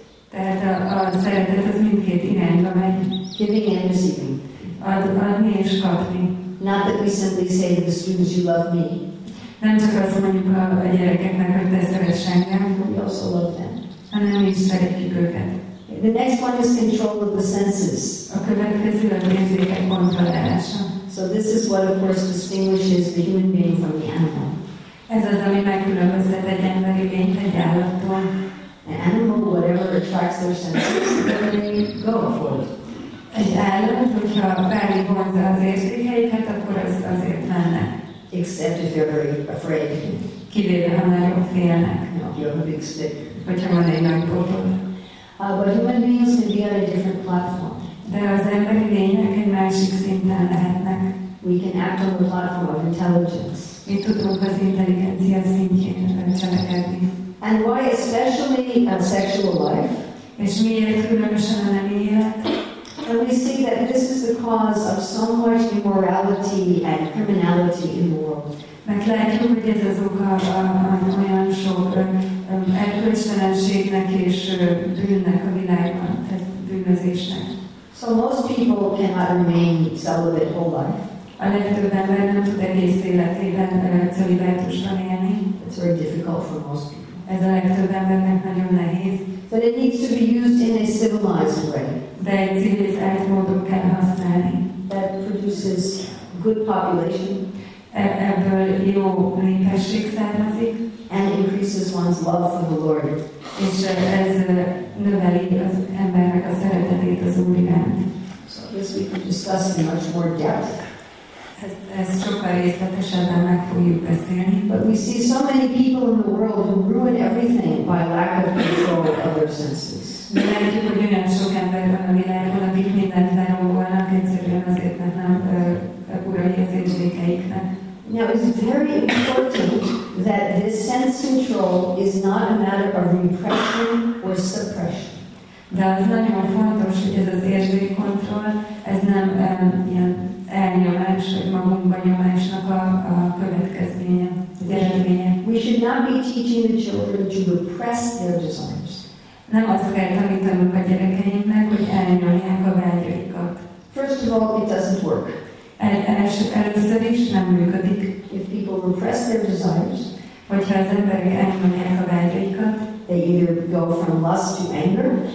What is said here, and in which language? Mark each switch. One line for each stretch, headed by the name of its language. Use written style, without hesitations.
Hungarian: Tehát a szeretet az mindkét irányba megy.
English: Giving and receiving.
Hungarian: Adni és kapni.
English: Not that we simply say to the students, you love me.
Hungarian: Nem csak azt mondjuk a gyerekeknek, hogy te szeretsz engem.
English: We also love them.
Hungarian: Hanem is szeretjük őket.
English: The next one is control of the senses.
Hungarian: A következő a érzékek kontrollálása.
English: So this is what of course distinguishes the human being from the animal.
Hungarian: Ez az, ami megkülönböztet egy emberi lényt egy állattól.
English: An animal, whatever attracts their senses, then they go for it.
Hungarian: Egy állat, hogyha bármit vonza az érzékeiket, akkor az azért mennek.
English: Except if they're very afraid.
Hungarian: Kivéve, ha nagyon félnek.
English: No, if you have a big stick.
Hungarian: Hogyha van egy nagy pofon.
English: But human beings can be on a different platform.
Hungarian: De az emberi lények egy másik szinten lehetnek.
English: We can act on the platform of intelligence.
Hungarian: Mi tudunk az intelligencia szintjén cselekedni.
English: And why especially a sexual life?
Hungarian: És miért különösen a nemi élet?
English: And we see that this is the cause of so much immorality and criminality in the world.
Hungarian: Mert látjuk, hogy ez az oka olyan sok erkölcstelenségnek és bűnnek a világban, tehát bűnözésnek.
English: So most people cannot remain celibate whole life.
Hungarian: A legtöbb ember nem tud egész életében celibátusban élni.
English: It's very difficult for most people.
Hungarian: Ez a legtöbb embernek nagyon nehéz.
English: But it needs to be used in a civilized way.
Hungarian: De egy civilizált módon kell használni.
English: That produces good population.
Hungarian: Ebből jó népesség származik.
English: And increases one's love for the Lord.
Hungarian: És ez növeli az embernek a szeretetét az Úr iránt.
English: So this we can discuss in much more depth.
Hungarian: Ezt sokkal részletesebben meg fogjuk beszélni.
English: But we see so many people in the world who ruin everything by lack of control of other senses.
Hungarian: De látjuk, hogy olyan sok ember van a világon, akik mindent lerombolnak, egyszerűen azért, mert nem urai az érzékeiknek.
English: Now it's very important that this sense control is not a matter of repression or suppression.
Hungarian: De az nagyon fontos, hogy ez az érzékkontroll, ez nem ilyen elnyomás, hogy magunkban nyomásnak a következménye, az eredménye.
English: We should not be teaching the children to repress their desires.
Hungarian: Nem azt kell tanítanunk a gyerekeinknek, hogy elnyomják a vágyaikat.
English: First of all, it doesn't work.
Hungarian: Először is nem működik.
English: If people repress their desires,
Hungarian: hogyha az emberek elnyomják a vágyaikat,
English: they either go from lust to anger,